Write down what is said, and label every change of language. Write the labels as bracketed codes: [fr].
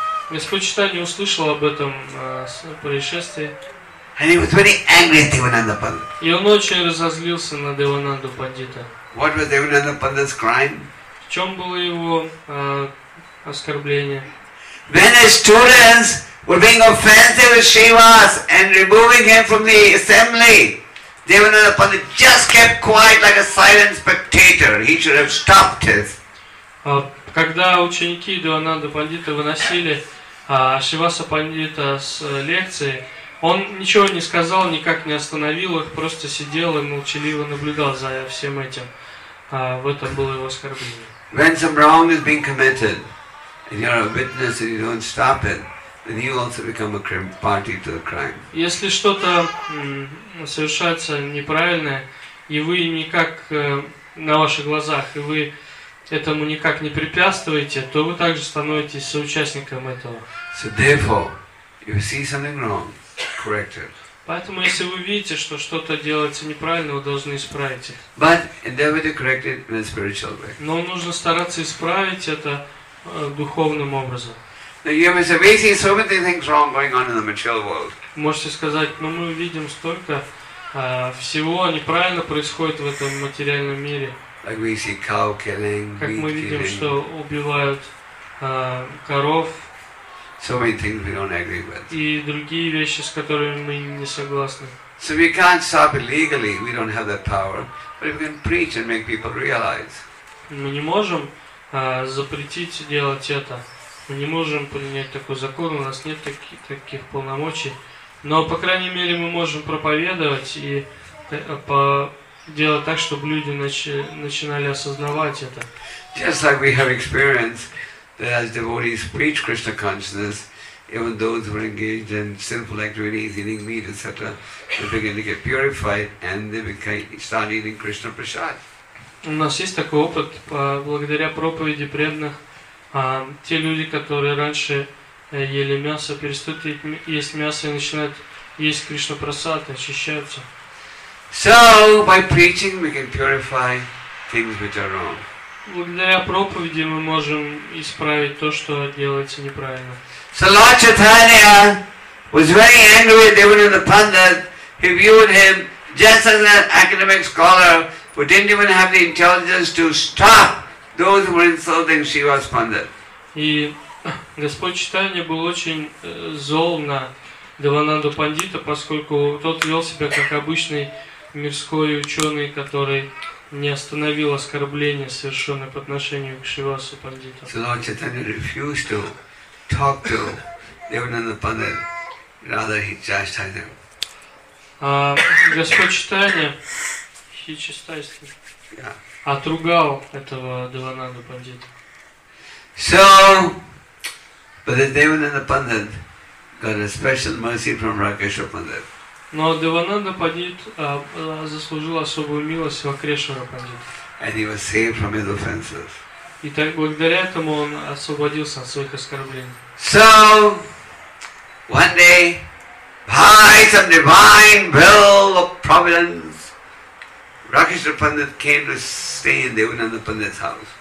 [ru] Господь Чайтанья услышал об этом происшествии. [en] And he was very angry at Devananda Pandit. [ru] И он очень разозлился на Девананду Пандита. [en] What was Devananda Pandit's crime? [ru] В чем было его оскорбление? [en] When his students were being offensive with Shivas and removing him from the assembly, Devananda Pandit just kept quiet like a silent spectator. He should have stopped it. [ru] Когда ученики Девананда Пандита выносили Шиваса Пандита с лекции, он ничего не сказал, никак не остановил их, просто сидел и молчаливо наблюдал за всем этим. В этом было его оскорбление. [en] When some wrong is being committed, and you're a witness and you don't stop it, and you also become a party to the crime. [ru] Если что-то совершается неправильное, и вы никак на ваших глазах, и вы этому никак не препятствуете, то вы также становитесь соучастником этого. [en] So therefore, if you see something wrong, correct it. [ru] Поэтому если вы видите, что что-то делается неправильно, вы должны исправить их. [en] But endeavor to correct it in a spiritual way. [ru] Но нужно стараться исправить это духовным образом. [en] Now you may say, we see so many things wrong going on in the material world. [ru] Можете сказать, но мы видим столько всего неправильно происходит в этом материальном мире. [en] Like we see cow killing, [ru] как мы видим, что убивают коров. [en] So many things we don't agree with. [ru] И другие вещи, с которыми мы не согласны. [en] So we can't stop it legally. We don't have that power. But we can preach and make people realize. [ru] Мы не можем запретить делать это. Мы не можем принять такой закон, у нас нет таких полномочий. Но, по крайней мере, мы можем проповедовать и делать так, чтобы люди начинали осознавать это. [en] Just like we have experience that as devotees preach Krishna consciousness, even those who are engaged in sinful activities, eating meat, etc., they begin to get purified and they start eating Krishna prasad. [ru] У нас есть такой опыт, благодаря проповеди преданных, те люди, которые раньше ели мясо, перестают есть мясо и начинают есть Кришна прасад, очищаются. [en] So by preaching we can purify things which are wrong. [ru] Благодаря проповеди мы можем исправить то, что делается неправильно. [en] So Lord Chaitanya was very angry at Devananda Pandit. He viewed him just as an academic scholar who didn't even have the intelligence to stop those who were insulting Shiva's Pandit. [ru] И Господь Чайтанья был очень зол на Девананду Пандита, поскольку тот вел себя как обычный мирской ученый, который не остановил оскорбление, совершенное по отношению к Шривасу Пандиту. [en] So Lord Chaitanya refused to talk to Devananda Pandit. Rather, he chastised him. Господь Читания, he chastised him. Yeah. [ru] Отругал этого Девананду Пандита. [en] So, but the Devananda Pandit got a special mercy from Rakeshwara Pandit. [ru] Но Девананда Пандит заслужил особую милость у Акрешвара Пандита. [en] And he was saved from his offenses. [ru] И так благодаря этому он освободился от своих оскорблений. [en] So, one day, by some divine will of providence, Rakeshwara Pandit came to stay in Devananda Pandit's house.